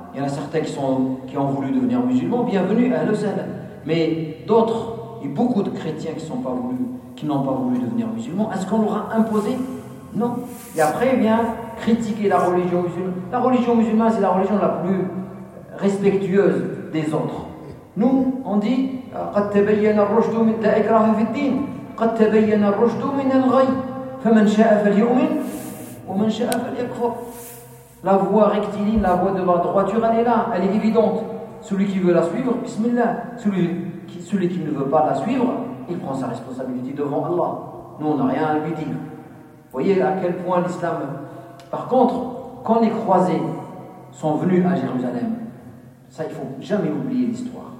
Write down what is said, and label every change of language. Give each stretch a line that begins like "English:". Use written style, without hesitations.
French: Il y en a certains qui ont voulu devenir musulmans, bienvenue à Lausanne. Mais d'autres, et beaucoup de chrétiens qui n'ont pas voulu devenir musulmans, est-ce qu'on leur a imposé ? Non. Et après, eh bien, critiquer la religion musulmane. La religion musulmane, c'est la religion la plus respectueuse des autres. Nous, on dit
Arabic: قَدْ تَبَيَّنَ الرُّشْدُ مِنْ تَأَكْرَهَ فِي الدِّينِ قَدْ تَبَيَّنَ الرُّشْدُ مِنْ الْغَيِّ فَمَنْ شَاءَ فَلْيُؤْمِنْ وَمَنْ شَاءَ فَلْيَكْفُرْ.
French: La voie rectiligne, la voie de la droiture, elle est là, elle est évidente. Celui qui veut la suivre, bismillah. Celui qui ne veut pas la suivre, il prend sa responsabilité devant Allah. Nous, on n'a rien à lui dire. Vous voyez à quel point l'islam. Par contre, quand les croisés sont venus à Jérusalem, ça il ne faut jamais oublier l'histoire.